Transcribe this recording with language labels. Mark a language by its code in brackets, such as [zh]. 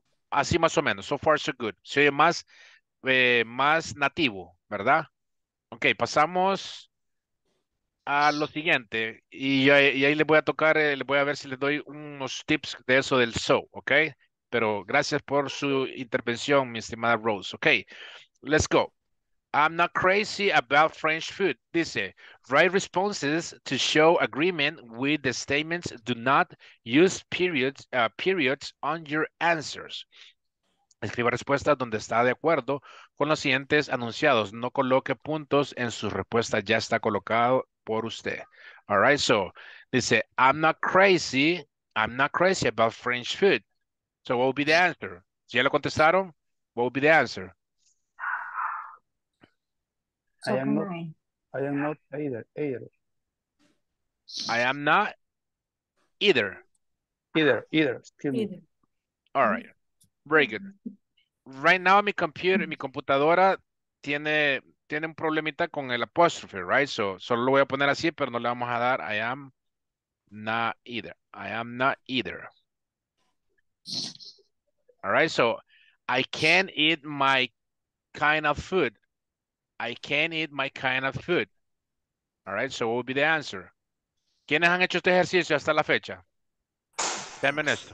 [es] Así más o menos, [en] so far, so good. [es] Se oye más, más nativo, ¿verdad? Ok, pasamos a lo siguiente, y ahí les voy a tocar, les voy a ver si les doy unos tips de eso del so, ¿ok? Pero gracias por su intervención, mi estimada Rose. [en] Ok, let's go. I'm not crazy about French food. [es] Dice, [en] write responses to show agreement with the statements. Do not use periods on your answers. [es] Escriba respuestas donde está de acuerdo con los siguientes anunciados. No coloque puntos en su respuesta. Ya está colocado por usted. [en] All right, so, [es] dice, [en] I'm not crazy about French food. So, what would be the answer? [es] ¿Ya lo contestaron? [en] What would be the answer? I am not either. Excuse me. All right, very good. Right now, [es] mi computadora tiene un problemita con el apóstrofe, [en] right? So, [es] solo lo voy a poner así, pero no le vamos a dar [en] I am not either. All right, so, I can't eat my kind of food. All right, so what would be the answer? [es] ¿Quiénes han hecho este ejercicio hasta la fecha? [en] 10 minutes.